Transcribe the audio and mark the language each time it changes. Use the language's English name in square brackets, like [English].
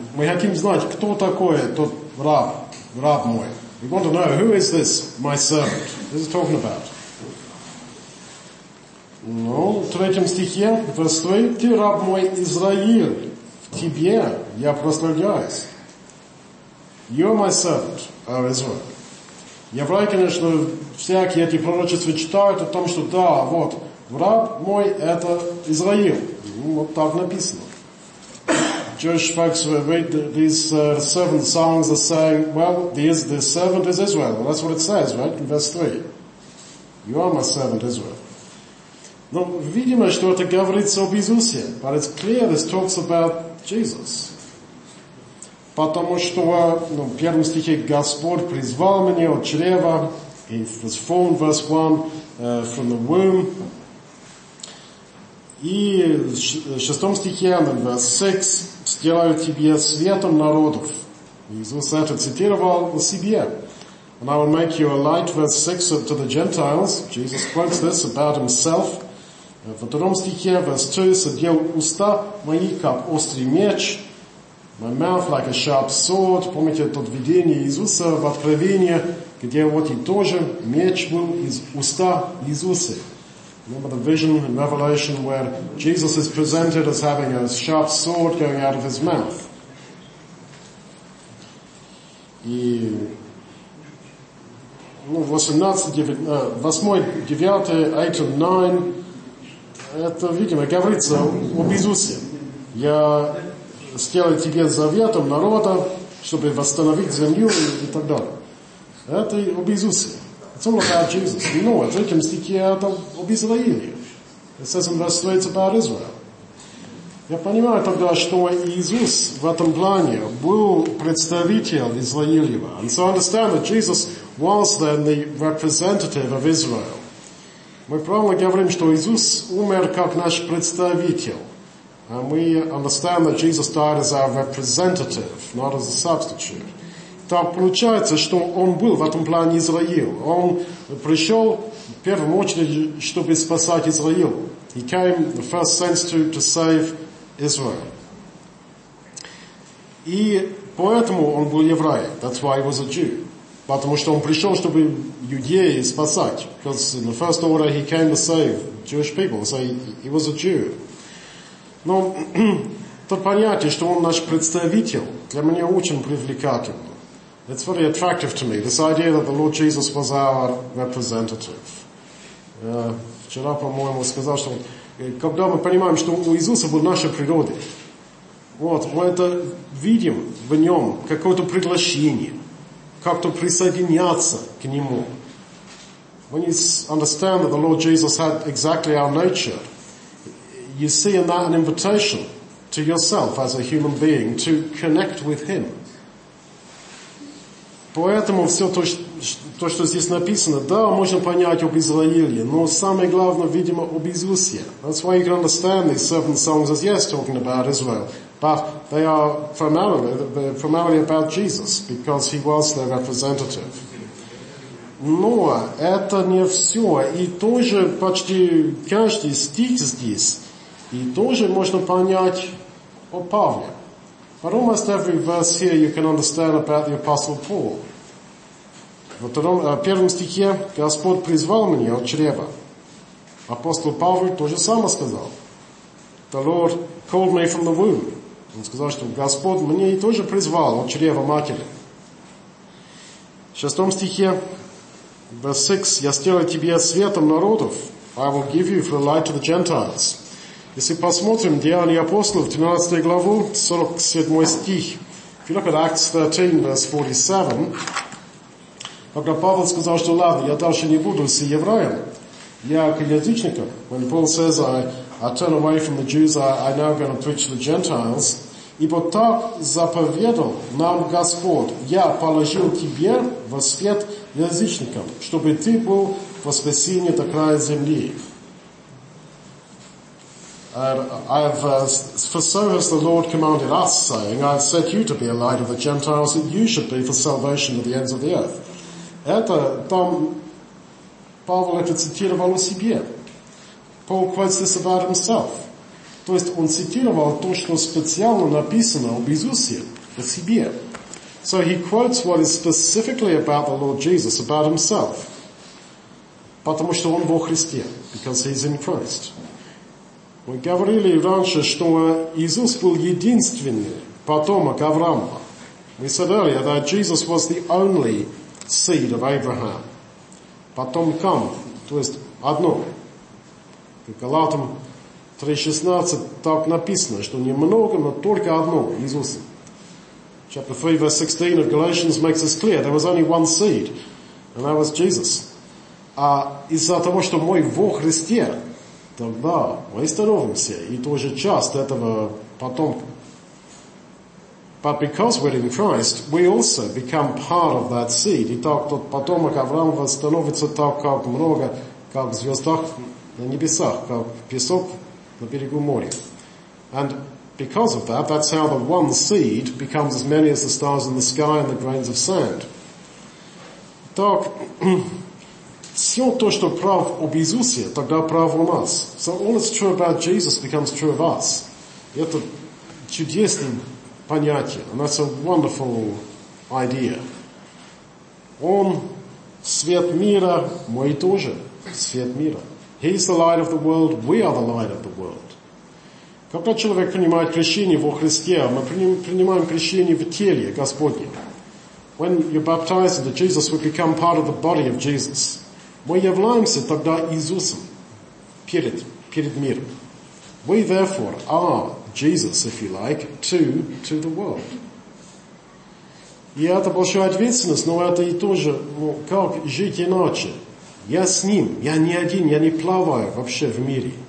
[Russian] Мы хотим знать, кто такой тот раб, раб мой. [English] We want to know, who is this, my servant? What is it talking about? [Russian] Ну, в третьем стихе, [English] verse 3, [Russian] ты раб мой Израиль, в тебе я прославляюсь. [English] You are my servant, O Israel. [Russian] Евреи, конечно, всякие эти пророчества читают о том, что да, вот, раб мой это Израиль. Вот так написано. [English] Jewish folks who read these servant songs are saying, well, the servant is Israel. Well, that's what it says, right, in verse 3. You are my servant Israel. [Russian] Но видимо, что это говорится об Иисусе. [English] But it's clear this talks about Jesus. [Russian] Потому что ну, в первом стихе Господь призвал меня от чрева. [English] He was formed, verse 1, from the womb. [Russian] И в шестом стихе, [English] verse 6, [Russian] «Сделаю тебе светом народов». Иисус это цитировал о себе. [English] «And I will make you a light, verse 6, to the Gentiles». Jesus quotes this about himself. [Russian] В втором стихе, [English] verse 2, [Russian] «Садел уста мои, как острый меч». [English] «My mouth like a sharp sword». [Russian] Помните тот видение Иисуса в Откровении, где вот и тоже меч был из уста Иисуса. [English] Remember the vision in Revelation where Jesus is presented as having a sharp sword going out of his mouth. [Russian] И ну, 8, 9, 8, 9, [English] 8 and 9, [Russian] это, видимо, говорится об Иисусе. Я сделаю тебе заветом народа, чтобы восстановить землю и так далее. Это об Иисусе. [English] It's all about Jesus. You know, [Russian] в третьем стихе это об Израиле. [English] It says in verse 3, it's about Israel. [Russian] Я понимаю тогда, что Иисус в этом плане был представитель Израилева. [English] And so I understand that Jesus was then the representative of Israel. [Russian] Мы правильно говорим, что Иисус умер как наш представитель. [English] And we understand that Jesus died as our representative, not as a substitute. [Russian] Так получается, что он был в этом плане Израил. Он пришел в первую очередь, чтобы спасать Израил. [English] He came the first sense to save Israel. [Russian] И поэтому он был еврей. [English] That's why he was a Jew. [Russian] Потому что он пришел, чтобы иудеи спасать. [English] Because in the first order he came to save Jewish people. So he was a Jew. [Russian] Но то понятие, что он наш представитель, для меня очень привлекательно. [English] It's very attractive to me, this idea that the Lord Jesus was our representative. [Russian] Вчера, по-моему, сказал, что когда мы понимаем, что у Иисуса был наша природа, вот, мы это видим в нем, какое-то приглашение, как-то присоединяться к нему. [English] When you understand that the Lord Jesus had exactly our nature, you see in that an invitation to yourself as a human being to connect with him. [Russian] Поэтому все то, что здесь написано, да, можно понять об Израиле, но самое главное, видимо, об Иисусе. [English] That's why you can understand these seven songs as yes, talking about Israel. But they are primarily about Jesus, because he was their representative. [Russian] Но это не все. И тоже почти каждый стих здесь, и тоже можно понять о Павле. [English] But almost every verse here you can understand about the Apostle Paul. [Russian] В первом стихе Господь призвал меня от чрева. Апостол Павел тоже самое сказал. [English] The Lord called me from the womb. [Russian] Он сказал, что Господь мне и тоже призвал от чрева матери. В шестом стихе, [English] verse 6, [Russian] я сделаю тебе светом народов. [English] I will give you for the light to the Gentiles. [Russian] Если посмотрим Деяния апостолов, 13 главу, 47 стих. [English] If you look at Acts 13, verse 47, [Russian] когда Павел сказал, что ладно, я дальше не буду с евреем, я к язычникам. [English] When Paul says, I turn away from the Jews, I now going to preach to the Gentiles. [Russian] Ибо так заповедал нам Господь, я положил тебе во свет язычникам, чтобы ты был во спасении до края земли. [English] For so has the Lord commanded us, saying, I have set you to be a light of the Gentiles, that you should be for salvation of the ends of the earth. [Russian] Это там Павел это цитировал о себе. [English] Paul quotes this about himself. [Russian] То есть он цитировал то, что специально написано об Иисусе, о себе. [English] So he quotes what is specifically about the Lord Jesus, about himself. [Russian] Потому что он во Христе, [English] because he's in Christ. [Russian] Мы говорили раньше, что Иисус был единственный потомок Авраама. [English] We said earlier that Jesus was the only seed of Abraham. [Russian] Потомком, то есть одно. Галатам 3.16 так написано, что немного, но только одно, Иисус. [English] Chapter 3, verse 16 of Galatians makes this clear. There was only one seed, and that was Jesus. [Russian] А из-за того, что мы во Христе, тогда мы становимся, и тоже часть этого потомка. [English] But because we're in Christ, we also become part of that seed. [Russian] И так тот потомок Авраама становится так, как много, как звездах на небесах, как песок на берегу моря. [English] And because of that, that's how the one seed becomes as many as the stars in the sky and the grains of sand. [Russian] Так, все то, что прав об Иисусе, тогда прав у нас. [English] So all that's true about Jesus becomes true of us. [Russian] Это чудесным понятие, [English] and that's a wonderful idea. [Russian] Он свет мира, мы тоже свет мира. [English] He is the light of the world, we are the light of the world. [Russian] Когда человек принимает крещение во Христе, мы принимаем крещение в теле Господне. [English] When you're baptized into Jesus, we become part of the body of Jesus. [Russian] Мы являемся тогда Иисусом перед миром. [English] We therefore are Jesus, if you like, to the world. [Russian] И это большая ответственность, но это и тоже, ну, как жить иначе. Я с ним, я не один, я не плаваю вообще в мире.